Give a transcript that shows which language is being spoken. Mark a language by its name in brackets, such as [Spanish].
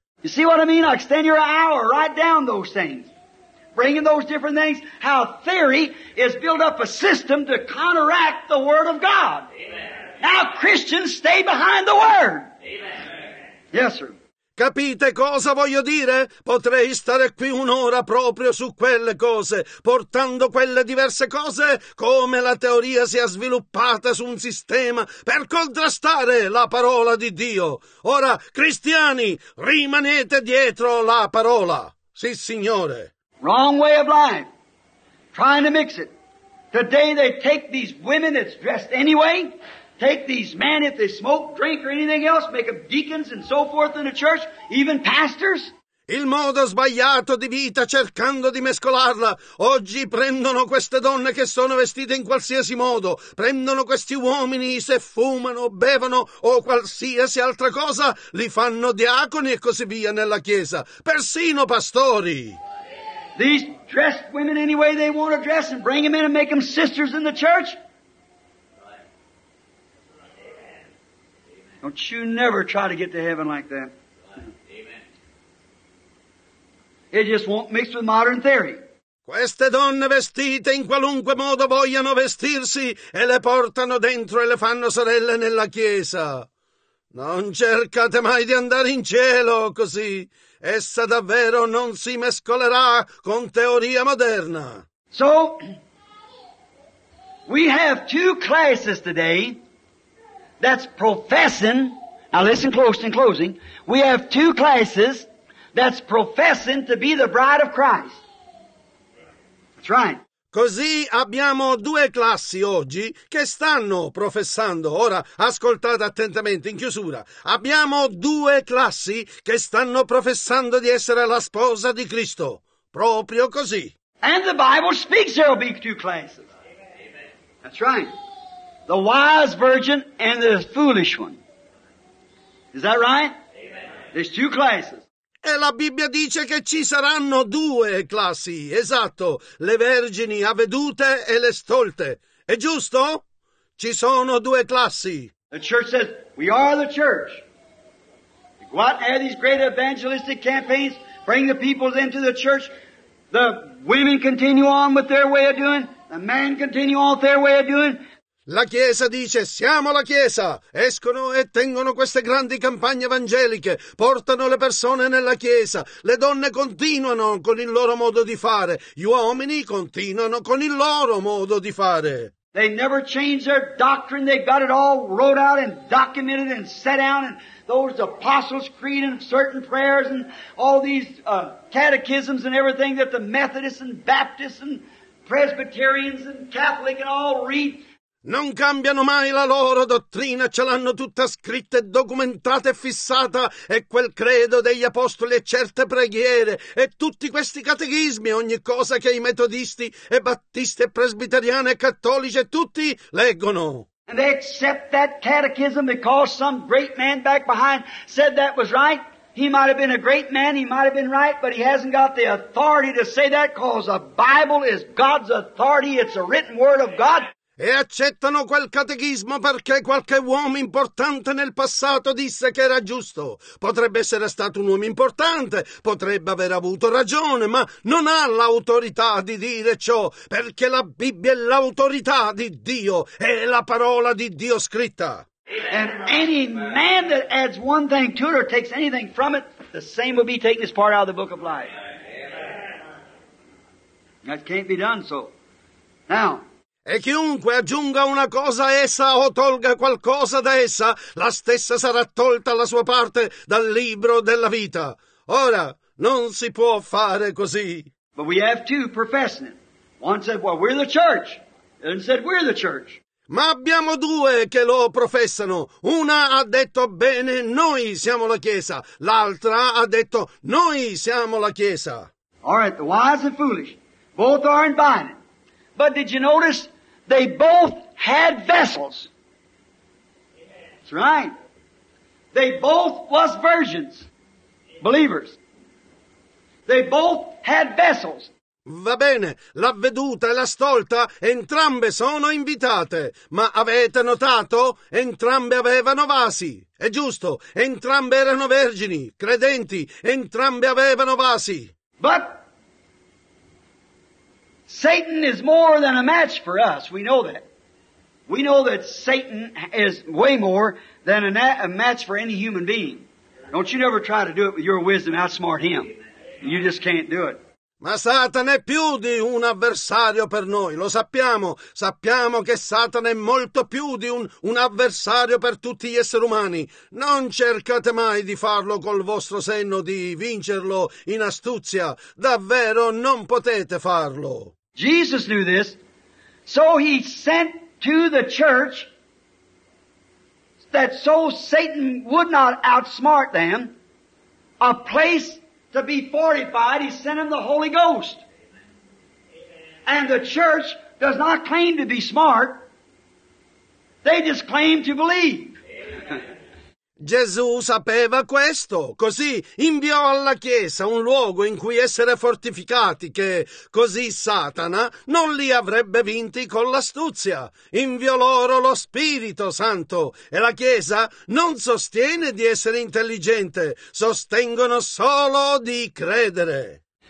[English] You see what I mean? I extend your hour, write down those things. Bringing those different things, how theory is built up a system to counteract the Word of God. Amen. Now Christians stay behind the Word. Amen. Yes, sir. [Italian] Capite cosa voglio dire? Potrei stare qui un'ora proprio su quelle cose, portando quelle diverse cose, come la teoria si è sviluppata su un sistema per contrastare la parola di Dio. Ora, cristiani, rimanete dietro la parola. Sì, Signore. [English] Wrong way of life, trying to mix it. Today they take these women that's dressed anyway, take these men if they smoke, drink or anything else, make them deacons and so forth in the church, even pastors. [Italian] Il modo sbagliato di vita cercando di mescolarla. Oggi prendono queste donne che sono vestite in qualsiasi modo, prendono questi uomini se fumano, bevono o qualsiasi altra cosa, li fanno diaconi e così via nella chiesa, persino pastori. [English] These dressed women any way they want to dress and bring them in and make them sisters in the church. Amen. Don't you never try to get to heaven like that. Amen. It just won't mix with modern theory. [Italian] Queste donne vestite in qualunque modo vogliono vestirsi e le portano dentro e le fanno sorelle nella chiesa. Non cercate mai di andare in cielo così. Essa davvero non si mescolerà con teoria moderna. [English] So, we have two classes today that's professing, now listen close in closing, we have two classes that's professing to be the bride of Christ. That's right. [Italian] Così abbiamo due classi oggi che stanno professando, ora ascoltate attentamente in chiusura, abbiamo due classi che stanno professando di essere la sposa di Cristo, proprio così. [English] And the Bible speaks there will be two classes. Amen. That's right. The wise virgin and the foolish one. Is that right? Amen. There's two classes. [Italian] E la Bibbia dice che ci saranno due classi, esatto, le vergini avvedute e le stolte. È giusto? Ci sono due classi. [English] The church says, we are the church. You go out and have these great evangelistic campaigns, bring the people into the church. The women continue on with their way of doing, the men continue on with their way of doing. [Italian] La Chiesa dice, siamo la Chiesa, escono e tengono queste grandi campagne evangeliche, portano le persone nella Chiesa, le donne continuano con il loro modo di fare, gli uomini continuano con il loro modo di fare. [English] They never change their doctrine, they got it all wrote out and documented and set down, and those apostles' creed and certain prayers and all these catechisms and everything that the Methodists and Baptists and Presbyterians and Catholic and all read. [Italian] Non cambiano mai la loro dottrina, ce l'hanno tutta scritta e documentata e fissata, e quel credo degli apostoli e certe preghiere, e tutti questi catechismi, ogni cosa che i metodisti e battisti e presbiteriani e cattolici e tutti leggono. [English] And they accept that catechism because some great man back behind said that was right. He might have been a great man, he might have been right, but he hasn't got the authority to say that because the Bible is God's authority, it's a written word of God. [Italian] E accettano quel catechismo perché qualche uomo importante nel passato disse che era giusto. Potrebbe essere stato un uomo importante, potrebbe aver avuto ragione, ma non ha l'autorità di dire ciò, perché la Bibbia è l'autorità di Dio, è la parola di Dio scritta. [English] And any man that adds one thing to it or takes anything from it, the same will be taking his part out of the book of life. That can't be done so. Now, [Italian] e chiunque aggiunga una cosa a essa o tolga qualcosa da essa, la stessa sarà tolta alla sua parte dal libro della vita. Ora, non si può fare così. [English] But we have two professing it. One said, well, we're the church. And said, we're the church. [Italian] Ma abbiamo due che lo professano. Una ha detto: bene, noi siamo la Chiesa. L'altra ha detto: noi siamo la Chiesa. [English] All right, the wise and foolish, both are in binding. But did you notice they both had vessels? That's right. They both was virgins, believers. They both had vessels. [Italian] Va bene, l'avveduta e la stolta, entrambe sono invitate. Ma avete notato? Entrambe avevano vasi. È giusto, entrambe erano vergini, credenti, entrambe avevano vasi. [English] But Satan is more than a match for us, we know that. We know that Satan is way more than a match for any human being. Don't you never try to do it with your wisdom, outsmart him. You just can't do it. [Italian] Ma Satana è più di un avversario per noi, lo sappiamo. Sappiamo che Satana è molto più di un avversario per tutti gli esseri umani. Non cercate mai di farlo col vostro senno, di vincerlo in astuzia. Davvero non potete farlo. [English] Jesus knew this, so he sent to the church that so Satan would not outsmart them a place to be fortified, he sent him the Holy Ghost. And the church does not claim to be smart. They just claim to believe. [Italian] Gesù sapeva questo, così inviò alla Chiesa un luogo in cui essere fortificati, che così Satana non li avrebbe vinti con l'astuzia. Inviò loro lo Spirito Santo, e la Chiesa non sostiene di essere intelligente, sostengono solo di credere.